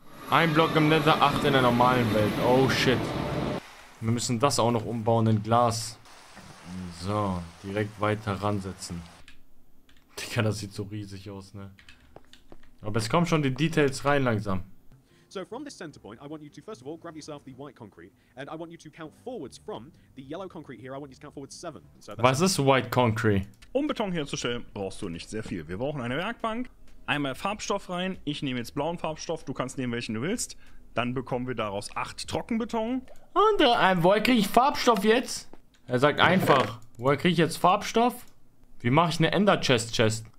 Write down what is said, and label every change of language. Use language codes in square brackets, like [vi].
[de] Ein Block im Nether, 8 in der normalen Welt. Oh shit. Wir müssen das auch noch umbauen in Glas. So, direkt weiter ransetzen. Digga, das sieht so riesig aus, ne? Aber es kommen schon die Details rein langsam. [en] So from this center point, I want you to first of all grab yourself the white concrete and I want you to count forwards from the yellow concrete here. I want you to count forwards 7. So that's [de] was ist white concrete? Um Beton herzustellen, brauchst du nicht sehr viel. Wir brauchen eine Werkbank, einmal Farbstoff rein. Ich nehme jetzt blauen Farbstoff, du kannst nehmen welchen du willst. Dann bekommen wir daraus 8 Trockenbeton. Und woher kriege ich Farbstoff jetzt? Er sagt einfach, woher kriege ich jetzt Farbstoff? Wie mache ich eine Ender Chest?